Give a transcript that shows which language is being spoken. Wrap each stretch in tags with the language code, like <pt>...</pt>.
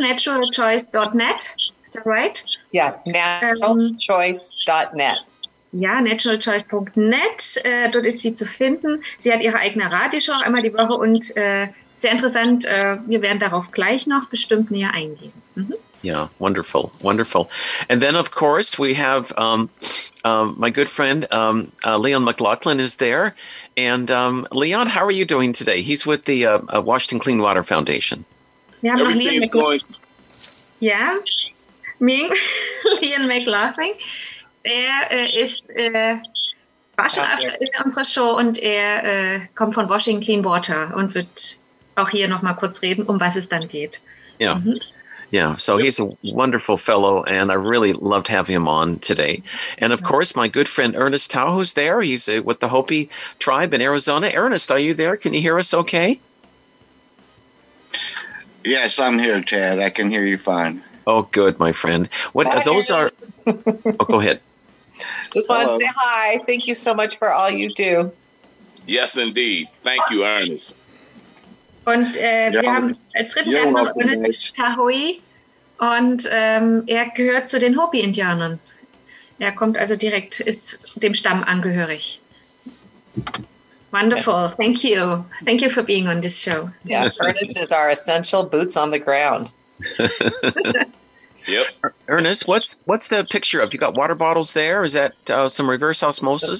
<en>Naturalchoice.net. Is that right? Yeah, naturalchoice.net.</en> <de>Ja, naturalchoice.net, dort ist sie zu finden. Sie hat ihre eigene Radioshow einmal die Woche und sehr interessant, wir werden darauf gleich noch bestimmt näher eingehen.</de> <en>Mhm.</en> <de>Ja,</de> <en>wonderful, wonderful. And then, of course, we have my good friend Leon McLaughlin is there. And Leon, how are you doing today? He's with the Washington Clean Water Foundation.</en> <de>Wir haben noch Leon McLaughlin. Ja, Ming, Leon McLaughlin. Er war schon öfter in unserer Show und er kommt von Washington Clean Water und wird auch hier nochmal kurz reden, um was es dann geht.</de> <en>Yeah, so he's a wonderful fellow and I really loved having him on today. And of course, my good friend Ernest Tau, who's there, he's with the Hopi tribe in Arizona. Ernest, are you there? Can you hear us okay? Yes, I'm here, Ted. I can hear you fine. Oh, good, my friend. Go ahead. Just want to say hi. Thank you so much for all you do. Yes, indeed. Thank you, Ernest.</en> <de>Und wir haben als dritten erstmal Ernest Tahoe und er gehört zu den Hopi-Indianern. Er kommt also direkt, ist dem Stamm angehörig.</de> <en>Wonderful. Thank you. Thank you for being on this show. Yeah, Ernest is our essential boots on the ground. Yep. Ernest, what's the picture of? You got water bottles there? Is that some reverse osmosis?</en>